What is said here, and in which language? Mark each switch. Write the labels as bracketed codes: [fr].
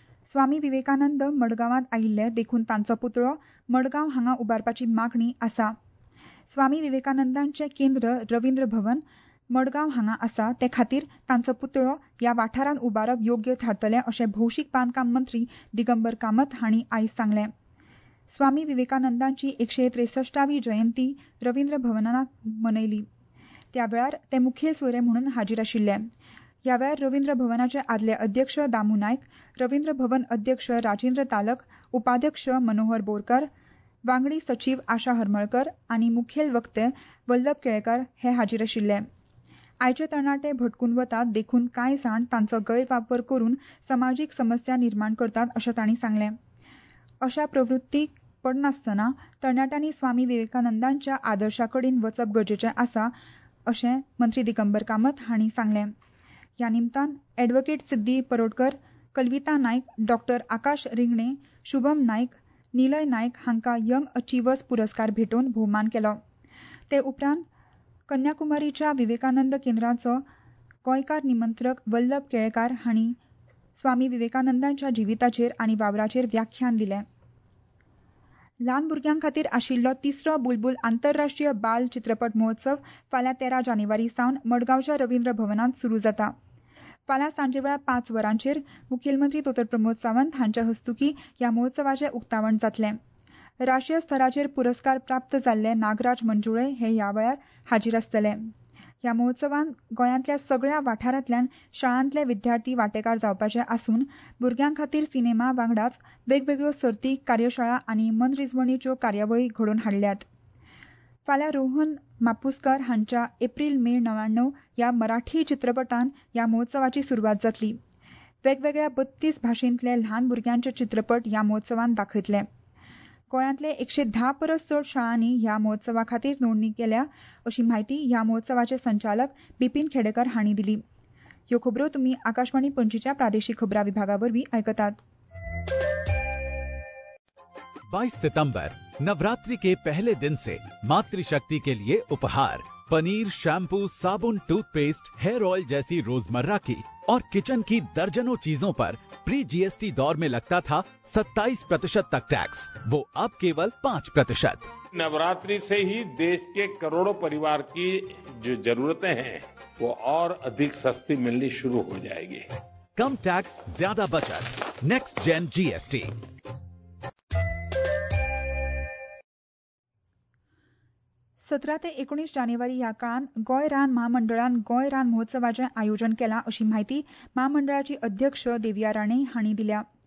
[kok] स्वामी विवेकानंद मडगांवांत आयिल्ले देखून तांचो पुतळो मडगांव हांगा उबारपाची मागणी आसा. स्वामी विवेकानंदांचें केंद्र रविंद्र भवन मडगांव हांगा आसा ते खातीर तांचो पुतळो ह्या वाठारांत उबारप योग्य थारतले अशें भौशीक बांदकाम मंत्री दिगंबर कामत हांणी आयज सांगलें. स्वामी विवेकानंदांची 163वी जयंती रविंद्र भवनांत मनयली. त्या वेळार ते मुखेल सोयरे म्हणून हाजीर आशिल्ले. ह्या वेळार रविंद्र भवनाचे आदले अध्यक्ष दामू नायक, रविंद्र भवन अध्यक्ष राजेंद्र तालक, उपाध्यक्ष मनोहर बोरकर, वांगडी सचीव आशा हरमळकर आनी मुखेल वक्ते वल्लभ केळेकर हे हाजीर आशिल्ले. आयचे तरणाटे भटकून वतात देखून कांय जाण तांचो गैरवापर करून समाजीक समस्या निर्माण करतात अशें तांणी सांगलें. अशा प्रवृत्तीक पडनासतना तरणाट्यांनी स्वामी विवेकानंदांच्या आदर्शाकडेन वचप गरजेचें आसा अशें मंत्री दिगंबर कामत हांणी सांगलें. ह्या निमतान एडवोकेट सिद्धी परोडकर, कल्विता नायक, डॉ आकाश रिंगणे, शुभम नायक, निलय नायक हांकां यंग अचीवर्स पुरस्कार भेटोवन भोवमान केलो. ते उपरांत कन्याकुमारीच्या विवेकानंद केंद्राचो गोंयकार निमंत्रक वल्लभ केळेकार हांणी स्वामी विवेकानंदांच्या जिविताचेर आनी वावराचेर व्याख्यान दिले. ल्हान भुरग्यां खातीर आशिल्लो तिसरो बुलबुल आंतरराष्ट्रीय बाल चित्रपट महोत्सव फाल्यां 13 जानेवारी सावन मडगांवच्या रविंद्र भवनांत सुरू जाता. फाल्यां सांजे वेळा 5 वरांचेर मुखेलमंत्री दोतोर प्रमोद सावंत हांच्या हस्तुकी ह्या महोत्सवाचें उक्तावण जातलें. राष्ट्रीय स्तराचेर पुरस्कार प्राप्त जाल्ले नागराज मंजुळे हे ह्या वेळार हाजीर आसतले. ह्या महोत्सवांत गोंयांतल्या सगळ्या वाठारांतल्यान शाळांतले विद्यार्थी वांटेकार जावपाचे आसून भुरग्यां खातीर सिनेमा वांगडाच वेगवेगळ्यो सर्ती, कार्यशाळा आनी मनरिजवणीच्यो कार्यावळी घडोवन हाडल्यात. फाल्यां रोहन मापुसकर हांच्या 1 मे 1999 ह्या मराठी चित्रपटान ह्या महोत्सवाची सुरवात जातली. वेगवेगळ्या 32 भाशेंतले ल्हान भुरग्यांचे चित्रपट ह्या महोत्सवांत दाखयतले. गोंयांतले 110 परस चड शाळांनी ह्या महोत्सवा खातीर नोंदणी केल्या अशी माहिती ह्या महोत्सवाचे संचालक बिपीन खेडेकर हांणी दिली. ह्यो खबरो तुम्ही आकाशवाणी पणजीच्या प्रादेशिक खबरां विभागावरवी ऐकतात. [hi] 22 सितंबर नवरात्रि के पहले दिन से मातृशक्ति के लिए उपहार पनीर शैम्पू साबुन टूथपेस्ट हेयर ऑयल जैसी रोजमर्रा की और किचन की दर्जनों चीजों पर प्री जीएसटी दौर में लगता था 27% तक टैक्स वो अब केवल 5%. नवरात्रि से ही देश के करोड़ों परिवार की जो जरूरतें हैं वो और अधिक सस्ती मिलनी शुरू हो जाएगी. कम टैक्स ज्यादा बचत नेक्स्ट जेन जीएसटी. [kok] सतरा ते 19 जानेवारी या काळात गोय रान महामंडळान गोय रान महोत्सवाचे आयोजन केला अशी माहिती महामंडळाची अध्यक्ष देविया राणे हांणी दिल्या.